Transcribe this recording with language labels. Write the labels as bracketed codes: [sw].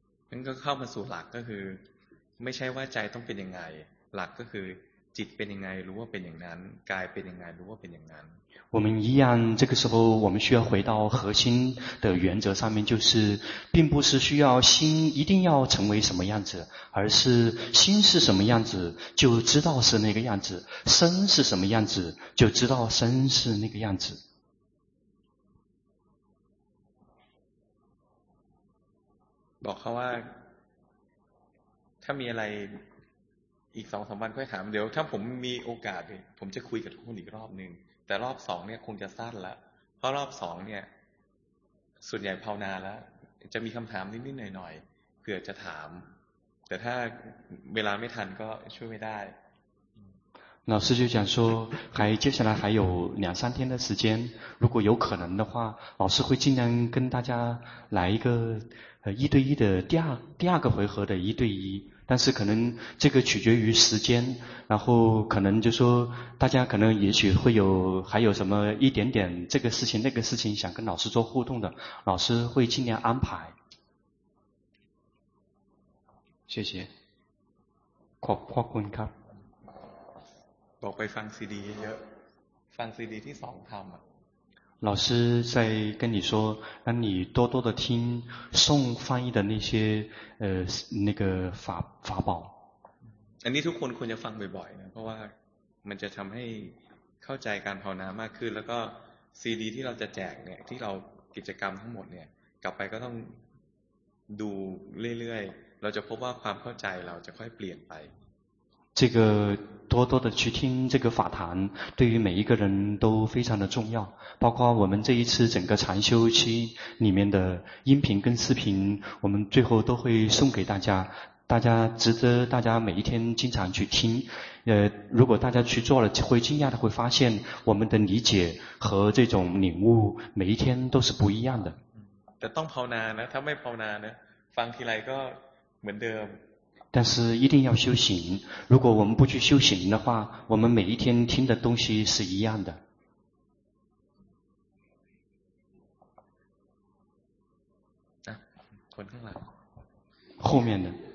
[th] นั่นก็เข้ามาสู่หลักก็คือไม่ใช่ว่าใจต้องเป็นยังไงหลักก็คือจิตเป็นยังไงรู้ว่าเป็นอย่างนั้นกายเป็นยังไงรู้ว่าเป็นอย่างนั้น [zh] 我们一样这个时候我们需要回到核心的原则上面就是并不是需要心一定要成为什么样子而是心是什么样子就知道是那个样子身是什么样子就知道身是那个样子 [th] บอกเขาว่าถ้ามีอะไรอีก 2-3 วันค่อยถามเดี๋ยวถ้าผมมีโอกาสผมจะคุยกับคุณอีกรอบนึงแต่รอบสองเนี่ยคงจะสั้นละเพราะรอบสองเนี่ยส่วนใหญ่ภาวนาแล้วจะมีคำถามนิดๆหน่อยๆเผื่อจะถามแต่ถ้าเวลาไม่ทันก็ช่วยไม่ได้ [zh] 老师就讲说还接下来还有两三天的时间如果有可能的话老师会尽量跟大家来一个一对一的第二个回合的一对一但是可能这个取决于时间然后可能就说大家可能也许会有还有什么一点点这个事情那个事情想跟老师做互动的老师会尽量安排谢谢 [th] ขอบคุณครับ บอกไปฟังซีดีเยอะฟังซีดีที่สองทำอ่ะ [zh] 老师在跟你说让你多多的听宋翻译的那些那个法宝 [th] อันนี้ทุกคนควรจะฟังบ่อยๆนะเพราะว่ามันจะทำให้เข้าใจการภาวนามากขึ้นแล้วก็ซีดีที่เราจะแจกเนี่ยที่เรากิจกรรมทั้งหมดเนี่ยกลับไปก็ต้องดูเรื่อยๆเราจะพบว่าความเข้าใจเราจะค่อยเปลี่ยนไป [zh] 这个多多的去听这个法坛对于每一个人都非常的重要包括我们这一次整个禅修期里面的音频跟视频我们最后都会送给大家大家值得大家每一天经常去听如果大家去做了会惊讶的会发现我们的理解和这种领悟每一天都是不一样的 [th] แต่ต้องภาวนานะถ้าไม่ภาวนานะฟังทีไรก็เหมือนเดิม [zh] 但是一定要修行如果我们不去修行的话我们每一天听的东西是一样的后面的